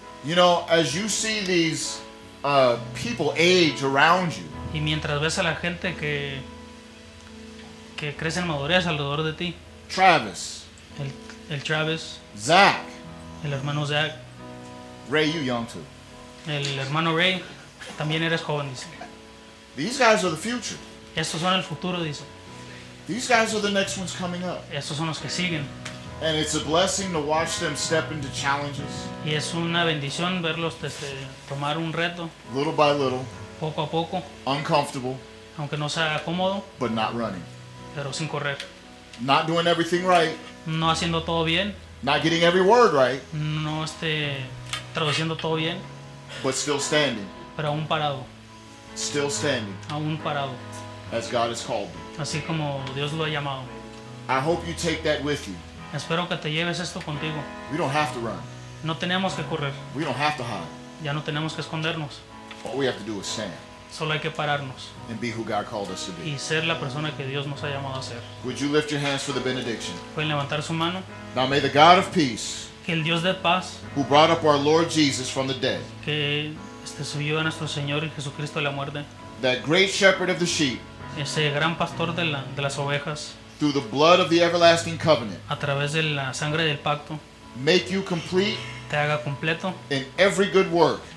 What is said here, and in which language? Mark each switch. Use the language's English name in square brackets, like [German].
[English] You know, as you see these people age around you. [Spanish] Y mientras ves a la gente que crece en madurez alrededor de ti. [English] Travis. [Spanish] El Travis. [English] Zach. [Spanish] El hermano Zach. [English] Ray, you young too. [Spanish] El hermano Ray, también eres joven, dice. [English] These guys are the future. [Spanish] Estos son el futuro, dice. [English] These guys are the next ones coming up. [Spanish] Estos son los que siguen. [English] And it's a blessing to watch them step into challenges. [Spanish] Y es una bendición verlos tomar un reto. [English] Little by little. [Spanish] Poco a poco. [English] Uncomfortable. [Spanish] Aunque no sea cómodo. [English] But not running. [Spanish] Pero sin correr. [English] Not doing everything right. [Spanish] No haciendo todo bien. [English] Not getting every word right. [Spanish] No traduciendo todo bien. [English] But still standing. [Spanish] Pero aún parado. [English] Still standing. [Spanish] Aún parado. [English] As God has called them. [Spanish] Así como Dios lo ha llamado. [English] I hope you take that with you. [Spanish] Espero que te lleves esto contigo. [English] We don't have to run. [Spanish] No tenemos que correr. [English] We don't have to hide. [Spanish] Ya no tenemos que escondernos. [English] All we have to do is stand. [Spanish] Solo hay que pararnos. [English] And be who God called us to be. [Spanish] Y ser la persona que Dios nos ha llamado a ser. [English] Would you lift your hands for the benediction? [Spanish] Pueden levantar su mano. [English] Now may the God of peace, [Spanish] que el Dios de paz, [English] who brought up our Lord Jesus from the dead, [Spanish] que resucitó a nuestro Señor Jesucristo de la muerte, [English] that great shepherd of the sheep, [Spanish] ese gran pastor de las ovejas, [English] through the blood of the everlasting covenant, [Spanish] a través de la sangre del pacto, [English] make you complete, [Spanish] te haga completo, [English] in every good work,